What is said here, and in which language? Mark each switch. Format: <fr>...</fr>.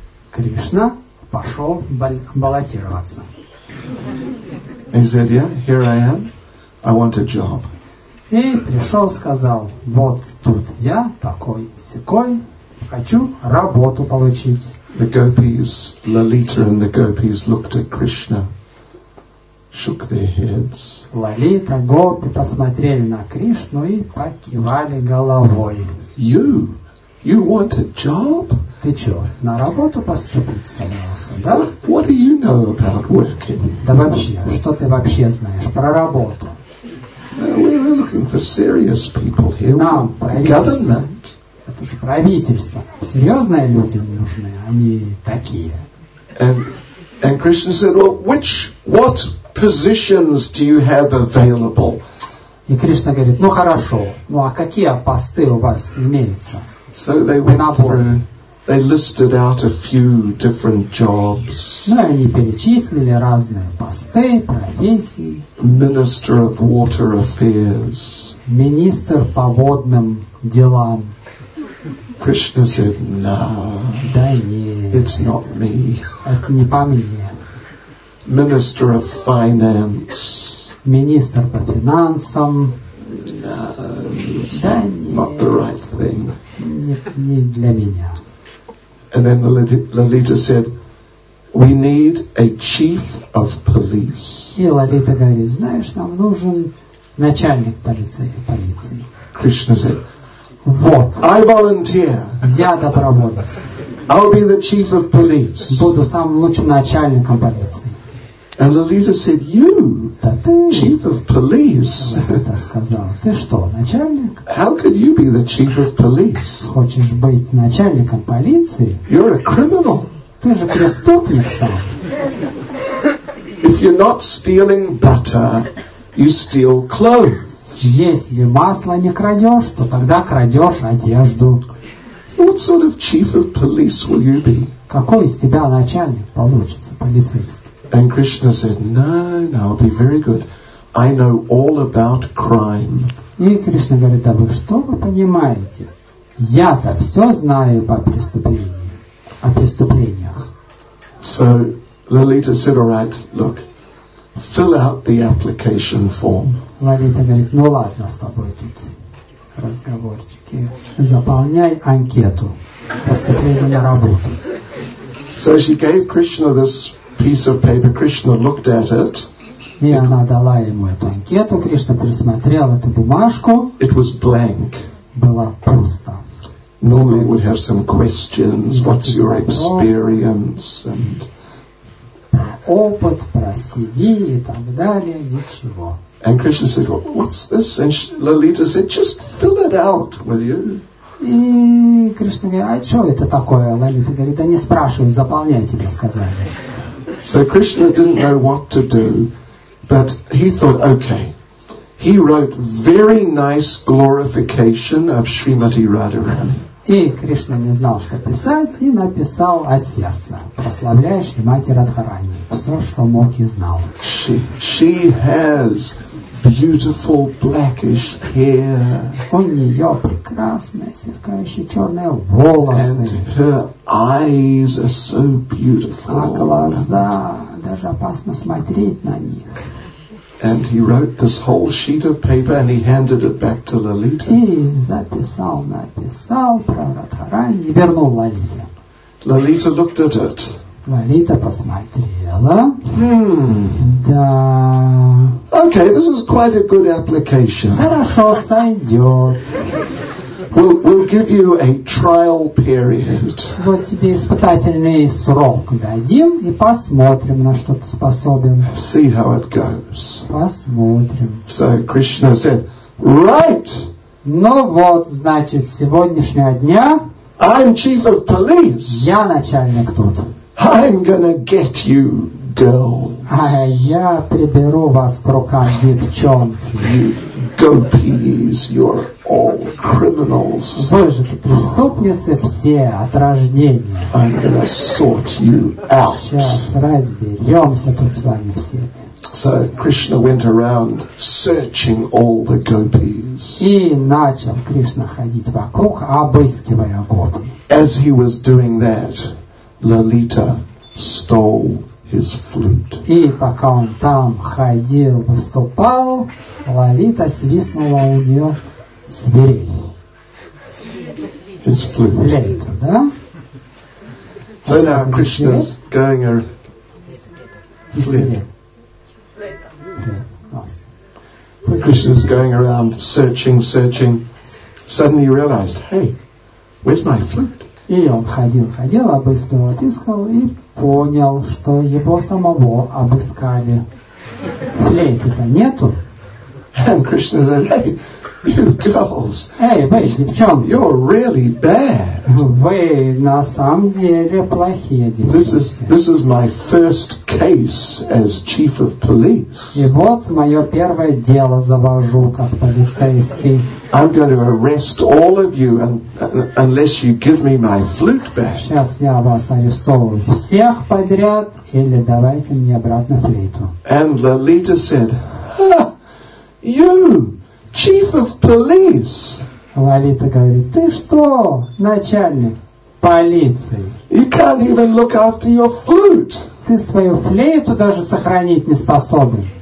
<ru>Кришна пошел баллотироваться.</ru> <en>He said, "Yeah, here I am. I want a job."</en> <ru>И пришел, сказал, вот тут я, такой-сякой, хочу работу получить.</ru> <en>The gopis, Lalita and the gopis looked at Krishna, shook their heads.</en> <ru>Лалита, гопи посмотрели на Кришну и покивали головой.</ru> <en>You want a job?</en> <ru>Ты что, на работу поступить собрался, да?</ru> <en>What do you know about working?</en> <ru>Да вообще, что ты вообще знаешь про работу?</ru> <en>We're looking for serious people here.</en> <ru>Нам</ru> <en>government.</en> <ru>Это же правительство. Серьезные люди нужны, а не такие.</ru> <en>And Krishna said, well, what positions do you have available?</en> <ru>И Кришна говорит, ну хорошо, ну а какие посты у вас имеются?</ru> <en>So they went through, they listed out a few different jobs.</en> <ru>Ну, они перечислили разные посты, профессии.</ru> <en>Minister of Water Affairs.</en> <ru>Министр по водным делам.</ru> <en>Krishna said, no.</en> <ru>Да нет.</ru> <en>It's not me.</en> <ru>Это не по мне.</ru> <en>minister of finance,</en> <ru>министр по финансам, да,</ru> <en>not the right thing.</en> <ru>Не для меня.</ru> <en>And then Lalita said, we need a chief of police.</en> <ru>И Лалита говорит, знаешь, нам нужен начальник полиции.</ru> <en>Krishna said,</en> <ru>вот.</ru> <en>I volunteer.</en> <ru>Я добровольец.</ru> <en>I'll be the chief of police.</en> <ru>Буду самым лучшим начальником полиции.</ru> <en>And Lalita said, you,</en> <ru>да ты,</ru> <en>chief of police.</en> <ru>Лалита сказал, ты что, начальник?</ru> <en>How could you be the chief of police?</en> <ru>Хочешь быть начальником полиции?</ru> <en>You're a criminal.</en> <ru>Ты же преступник сам.</ru> <en>If you're not stealing butter, you steal clothes.</en> <ru>Если масло не крадешь, то тогда крадешь одежду.</ru> <en>What sort of chief of police will you be?</en> <ru>Какой из тебя начальник получится, полицейский?</ru> <en>And Krishna said, no, I'll be very good. I know all about crime.</en> <ru>И Кришна говорит, а вы что вы понимаете? Я-то все знаю по преступлению, о преступлениях.</ru> <en>So Lalita said, all right, look, fill out the application form.</en> <ru>Лалита говорит, ну ладно с тобой тут разговорчики. Заполняй анкету поступления на работу.</ru> <en>So she gave Krishna this piece of paper. Krishna looked at it.</en> <ru>И она дала ему эту анкету. Кришна пересмотрел эту бумажку.</ru> <en>It was blank.</en> <ru>Была пуста.</ru> <en>Normally it would have some questions. What's your experience? And</en> <ru>про опыт, про CV и так далее. Ничего.</ru> <en>And Krishna said, well, what's this? And Lalita said, just fill it out, will you?</en> <ru>И Кришна говорит, а что это такое? Лалита говорит, да не спрашивай, заполняй, тебе сказали.</ru> <en>So Krishna didn't know what to do, but he thought, okay, he wrote very nice glorification of Srimati Radharani.</en> <ru>И Кришна не знал, что писать, и написал от сердца, прославляя Шримати Радхарани, все, что мог и знал.</ru> <en>She has beautiful blackish hair.</en> <ru>У нее прекрасные сверкающие черные волосы.</ru> <en>And her eyes are so beautiful.</en> <ru>А глаза, даже опасно смотреть на них.</ru> <en>And he wrote this whole sheet of paper and he handed it back to Lalita.</en> <ru>И записал про Радхарани и вернул Лалите.</ru> <en>Lalita looked at it.</en> <ru>Лалита посмотрела. Да.</ru> <en>Okay, this is quite a good application.</en> <ru>Хорошо сойдет.</ru> <en>We'll give you a trial period.</en> <ru>Вот тебе испытательный срок дадим и посмотрим, на что ты способен.</ru> <en>See how it goes.</en> <ru>Посмотрим.</ru> <en>So Krishna said, right.</en> <ru>Ну вот, значит, с сегодняшнего дня</ru> <en>I'm chief of police.</en> <ru>Я начальник тут.</ru> <en>I'm gonna get you, girl.</en> <ru>А я приберу вас к рукам, девчонки.</ru> <en>Gopis, you're all criminals.</en> <ru>Вы же преступницы все от рождения.</ru> <en>I'm gonna sort you out.</en> <ru>Сейчас разберемся тут с вами всеми.</ru> <en>So Krishna went around searching all the gopis.</en> <ru>И начал Кришна ходить вокруг, обыскивая гопи.</ru> <en>As he was doing that, Lalita stole his flute.</en> <ru>И пока он там ходил, выступал, Лалита свистнула у нее свирель.</ru> <en>His flute.</en> <ru>Флейту, да?</ru> <en>So now Krishna's going around. Flute. Krishna's going around searching. Suddenly he realized, hey, where's my flute?</en> <ru>И он ходил, обыскивал, и понял, что его самого обыскали. Флейты-то нету.</ru> <en>And Krishna said, hey, you girls.</en> <ru>Эй, вы, девчонки.</ru> <en>You're really bad.</en> <ru>Вы на самом деле плохие девчонки.</ru> <en>This is my first case as chief of police.</en> <ru>И вот мое первое дело завожу как полицейский.</ru> <en>I'm going to arrest all of you unless you give me my flute back.</en> <ru>Сейчас я вас арестовываю всех подряд или давайте мне обратно флейту.</ru> <en>And Lalita said, ha, you, chief of police.</en> <ru>Лалита говорит, ты что, начальник полиции?</ru> <en>You can't even look after your flute.</en> <ru>Ты свою флейту даже сохранить не способен.</ru>